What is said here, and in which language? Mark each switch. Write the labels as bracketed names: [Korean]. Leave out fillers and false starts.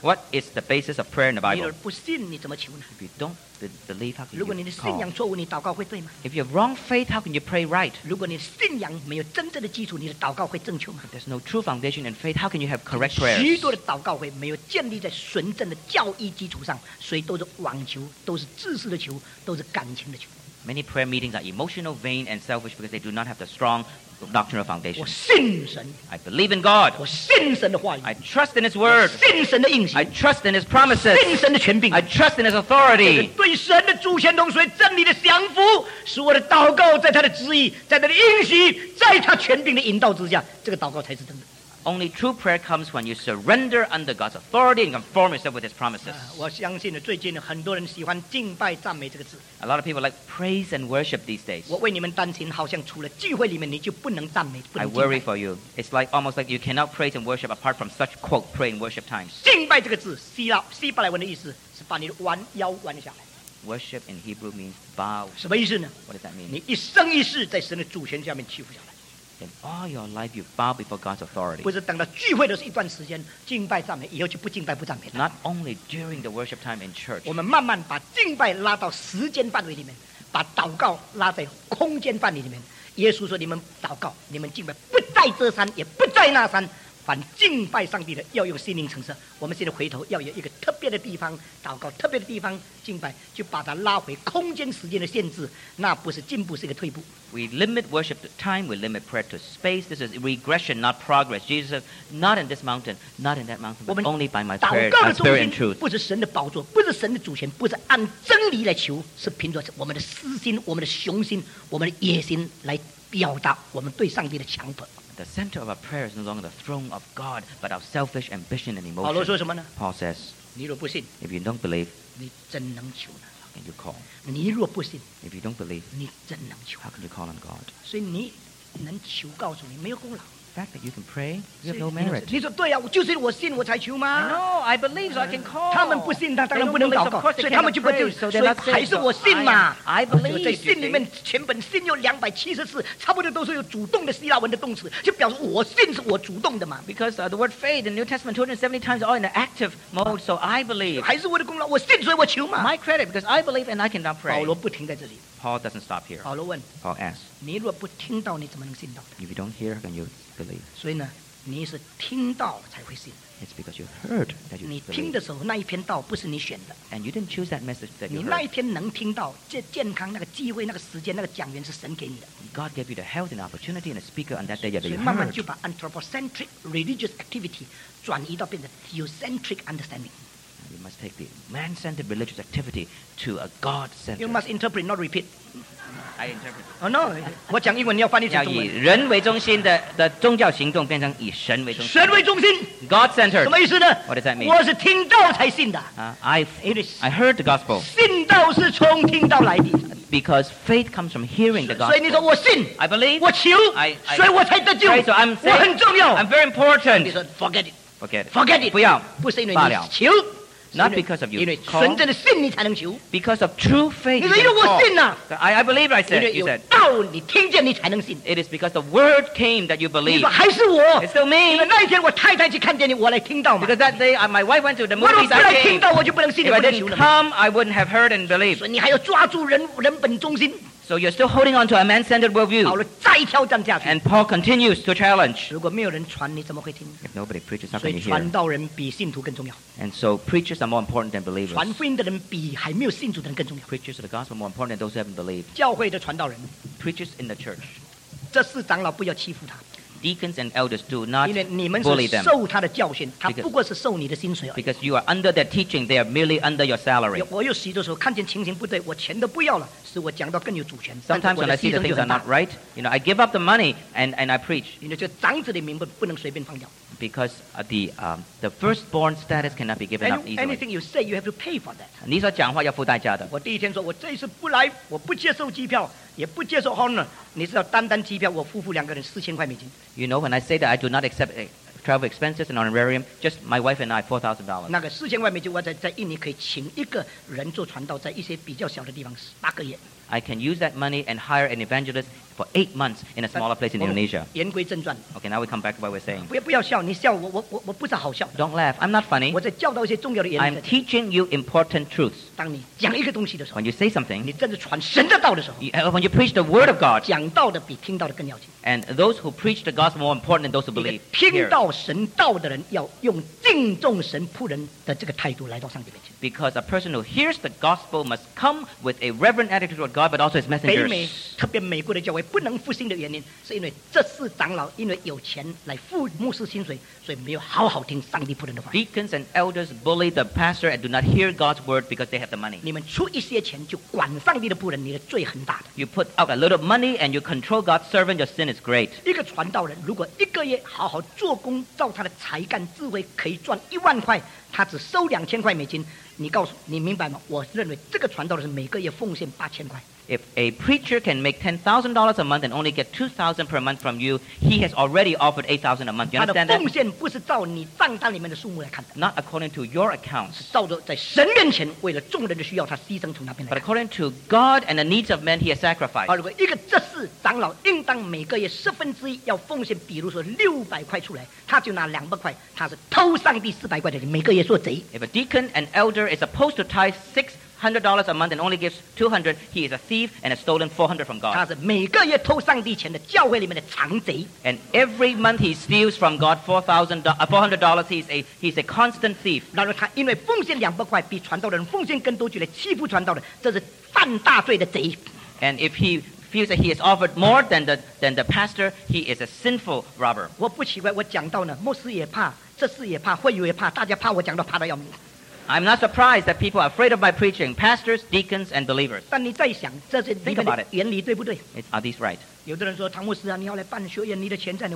[English] What is the basis of prayer in the Bible? [Chinese] 你若不信, [English] if you don't believe, how can [Chinese] 如果你的信仰错误, [English] you call? [Chinese] 你祷告会对吗? [English] If you have wrong faith, how can you pray right? [Chinese] 如果你信仰没有真正的基础, [English] if there's no true foundation in faith, how can you have correct prayers? [Chinese] 许多的祷告会没有建立在纯正的教义基础上, 所以都是网球, 都是知识的球, 都是感情的球。 [English] Many prayer meetings are emotional, vain, and selfish because they do not have the strong doctrinal foundation. [Chinese] 我信神, [English] I believe in God. [Chinese] 我信神的话语, [English] I trust in His word. [Chinese] 我信神的应许, [English] I trust in His promises. [Chinese] 信神的权柄, [English] I trust in His authority. [Chinese] 这个对神的主权同属于真理的降服, 使我的祷告在他的旨意, 在他权柄的引导之下, [English] only true prayer comes when you surrender under God's authority and conform yourself with His promises. [Chinese] 我相信最近很多人喜欢敬拜赞美这个字。 [English] A lot of people like praise and worship these days. [Chinese] 我为你们担心好像除了聚会里面你就不能赞美。 [English] I worry for you. It's like almost like you cannot praise and worship apart from such quote pray and worship times. [Chinese] 敬拜这个字希腊文的意思是把你弯腰弯下来。 [English] Worship in Hebrew means bow. [Chinese] 什么意思呢? [English] What does that mean? [Chinese] 你一生一世在神的主权下面屈服下来。 [English] Then all your life you bow before God's authority. [Chinese] 不是等到聚会的一段时间, 敬拜赞美, 以后就不敬拜不赞美, [English] not only during the worship time in church. [Chinese] 我们慢慢把敬拜拉到时间范围里面, 把祷告拉在空间范围里面。耶稣说你们祷告, 你们敬拜, 不在这山, 也不在那山, 反敬拜上帝的, 要用心灵诚实, 我们现在回头要有一个特别的地方, 祷告特别的地方, 敬拜, 就把它拉回空间时间的限制, 那不是进步, 是一个退步。 [English] We limit worship to time, we limit prayer to space. This is regression, not progress. Jesus says, not in this mountain, not in that mountain, but only by my prayer, my spirit and truth. [Chinese] 不是神的宝座, 不是神的主权, 不是按真理来求, 是凭着我们的私心, 我们的雄心, 我们的野心来表达我们对上帝的强迫。 [English] The center of our prayer is no longer the throne of God, but our selfish ambition and emotion. [Chinese] 保罗说什么呢? [English] Paul says, [Chinese] 你若不信, [English] if you don't believe, [Chinese] 你怎能求呢? [English] And you call. [Chinese] 你若不信, [English] if you don't believe, [Chinese] 你怎能求? [English] How can you call on God? [Chinese] 所以你能求告诉你, 没有功劳。 [English] The fact that you can pray, you have no merit. [Chinese] 你说, 对啊, 就是我信, 我才求吗? [English] No, I believe, so I can call. [Chinese] 他们不信, 当然不能祷告, [English] they don't believe, of course they cannot pray, so they're not saved. I believe, [Chinese] 在信里面, 全本信有270次, 差不多都是有主动的希腊文的动词, 就表示我信是我主动的嘛。 [English] Because the word faith in the New Testament 270 times are in the active mode, so I believe. [Chinese] 还是我的功劳, 我信, 所以我求嘛。 [English] My credit, because I believe and I cannot pray. [Chinese] 保罗不停在这里。 [English] Paul doesn't stop here. [Chinese] 保罗问, [English] Paul asks, if you don't hear, can you believe? [Chinese] 所以呢, 你是听到才会信。 [English] It's because you heard that you believe. [Chinese] 你听的时候，那一篇道不是你选的。 [English] And you didn't choose that message that you heard. [Chinese] 你那一天能听到，这健康、那个机会、那个时间、那个讲员是神给你的。 [English] God gave you the health and opportunity and a speaker on that day that you heard. [Chinese] 所以慢慢就把 [English] anthropocentric religious activity [Chinese] 转移到变成 [English] theocentric understanding. You must take the man-centered religious activity to a God-centered. You must interpret, not repeat. I interpret. Oh no, [Chinese] 我讲英文，你要翻译成中文。要以人为中心的宗教行动变成以神为中心。神为中心。 [English] God-centered. [Chinese] 什么意思呢 [English] ？What does that mean? [Chinese] 我是听到才信的。 [English] I heard the gospel. [Chinese] 信道是从听到来的。 [English] Because faith comes from hearing the gospel. [Chinese] 所以你说我信 [English] ，I believe. [Chinese] 我求 [English] ，I. [Chinese] 所以我才得救。 [English] So I'm saying. [Chinese] 我很重要。 [English] I'm very important. He said, forget it. Forget it. Forget it. [Chinese] 不要。不是因为你求。 [English] Not because of you. [Chinese] 因为纯正的信你才能求。 [English] Because of true faith. [Chinese] 你说因为我信呐、 [English] 啊。I believe. I said. You said. [Chinese] 道你听见你才能信。 [English] It is because the word came that you believe. [Chinese] 你说还是我。 [English] It's still me. [Chinese] 因为那一天我太太去看电影，我来听到嘛。 [English] Because that day, my wife went to the movies. [Chinese] 我如果不来听到，我就不能信，不能求了。 [English] If I didn't come, I wouldn't have heard and believed. [Chinese] 所以你还要抓住人本中心。 [English] So you're still holding on to a man-centered worldview. [Chinese] 好了，再挑战下去。 [English] And Paul continues to challenge. [Chinese] 如果没有人传，你怎么会听 [English] ？If nobody preaches, how can you hear? [Chinese] 所以传道人比信徒更重要。 [English] And so preachers are more important than believers. [Chinese] 传福音的人比还没有信主的人更重要。 [English] Preachers of the gospel are more important than those who haven't believed. [Chinese] 教会的传道人 [English] ，preachers in the church. [Chinese] 这是长老不要欺负他。 [English] Deacons and elders do not bully them. [Chinese] 因为你们是受他的教训，他不过是受你的薪水而已。 [English] Because you are under their teaching, they are merely under your salary. [Chinese] 我有许多时候看见情形不对，我钱都不要了，使我讲到更有主权。 [English] Sometimes when I see the things are not right, you know, I give up the money and I preach. [Chinese] 因为这长子的名分不能随便放掉。 [English] Because the firstborn status cannot be given up easily. Anything you say, you have to pay for that. [Chinese] 你所讲话要付代价的。我第一天说，我这一次不来，我不接受机票。也不接受 honor， 你知道单单机票，我夫妇两个人$4,000。 [English] You know when I say that I do not accept travel expenses and honorarium, just my wife and I $4,000. [Chinese] 那个四千块美金，我在印尼可以请一个人做传道，在一些比较小的地方8个月。 [English] I can use that money and hire an evangelist for 8 months in a smaller place in Indonesia. [Chinese] 言归正传。 [English] Okay, now we come back to what we're saying. [Chinese] 不要笑，你笑我不是好笑的。 [English] Don't laugh, I'm not funny. [Chinese] 我在教导一些重要的原则。 [English] I'm teaching you important truths. [Chinese] 当你讲一个东西的时候 [English] ，When you say something， [Chinese] 你正是传神的道的时候 [English] ，When you preach the word of God， [Chinese] 讲道的比听到的更要紧。 [English] And those who preach the gospel more important than those who believe. [Chinese] 听到神道的人要用敬重神仆人的这个态度来到上帝面前。 [English] Because a person who hears the gospel must come with a reverent attitude toward God, but also his messengers. [Chinese] 北美，特别美国的教会不能复兴的原因，是因为这四长老因为有钱来付牧师薪水，所以没有好好听上帝仆人的话。 [English] Deacons and elders bully the pastor and do not hear God's word because they have the money. [Chinese] 你们出一些钱就管上帝的仆人，你的罪很大的。 [English] You put out a little money and you control God's servant, your sin is great. [Chinese] 一个传道人如果一个月好好做工，照他的才干智慧可以赚$10,000，他只收$2,000。你告诉你明白吗？我认为这个传道人是每个月奉献$8,000。 [English] If a preacher can make $10,000 a month and only get $2,000 per month from you, he has already offered $8,000 a month. You understand that? [Chinese] 他的奉献不是照你账单里面的数目来看的。 [English] Not according to your accounts. [Chinese] 是照着在神面前为了众人的需要，他牺牲从那边来。 [English] But according to God and the needs of men, he has sacrificed. [Chinese] 如果一个执事长老应当每个月十分之一要奉献，比如说$600出来，他就拿$200，他是偷上帝$400的，每个月做贼。 [English] If a deacon and elder is supposed to tithe $600 a month and only gives $200, he is a thief and has stolen $400 from God. [Chinese] 他是每个月偷上帝钱的教会里面的藏贼。 [English] And every month he steals from God $400. He's a constant thief. [Chinese] 然后他因为奉献$200，比传道的人奉献更多，就来欺负传道的，这是犯大罪的贼。 [English] And if he feels that he is offered more than the pastor, he is a sinful robber. [Chinese] 我不奇怪，我讲到呢，牧师也怕，这事也怕，会友也怕，大家怕我讲到怕得要命。 [English] I'm not surprised that people are afraid of my preaching, pastors, deacons, and believers. [Chinese] 但你再想，这是里面的原理对不对 [English] ？Are these right? [Chinese] 有的人说，唐牧师啊，你要来办学院，你的钱在哪？